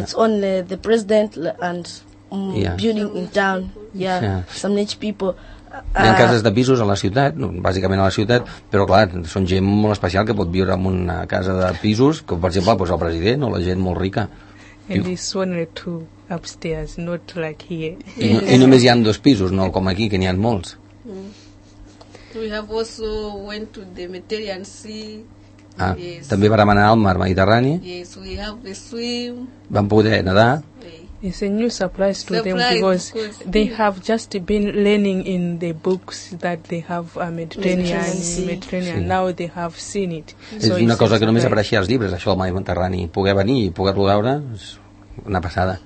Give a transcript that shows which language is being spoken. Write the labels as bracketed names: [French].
[English] It's only the president and... building in town, some rich people. [Catalan] Hi ha cases de pisos a la ciutat, bàsicament a la ciutat, però clar, són gent molt especial que pot viure en una casa de pisos, com per exemple el president o la gent molt rica. [English] And this one or two upstairs, not like here. [Catalan] I només hi ha dos pisos, no com aquí, que n'hi ha molts. [English] We have also went to the Mediterranean Sea. [Catalan] Ah, yes. També vam anar al mar Mediterrani. [English] Yes, we have the swim. [Catalan] Vam poder nedar. [English] It's a new surprise to them because they have just been learning in the books that they have a Mediterranean. Now they have seen it. [Catalan] És una cosa que només apareixia als llibres, això del Mediterrani. Poder venir i poder-lo veure és una passada.